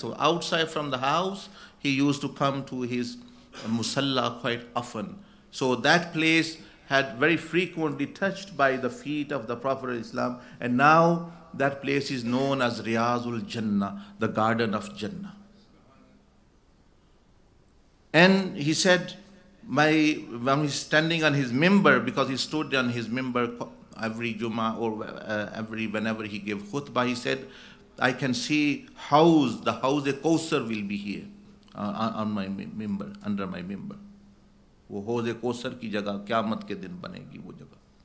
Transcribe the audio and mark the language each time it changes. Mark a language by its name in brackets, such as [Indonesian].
[English] So out side from the house he use to come to his مسلح quite often. So that place had very frequently touched by the feet of the Prophet Islam, and now that place is known as Riyazul Jannah, the garden of Jannah. And he said, when he's standing on his minbar, because he stood on his minbar every Jummah or every whenever he gave khutbah, he said, I can see the house Kausar will be here on my minbar, under my minbar. [Urdu] وہ حوض کوثر کی جگہ قیامت کے دن بنے گی وہ جگہ.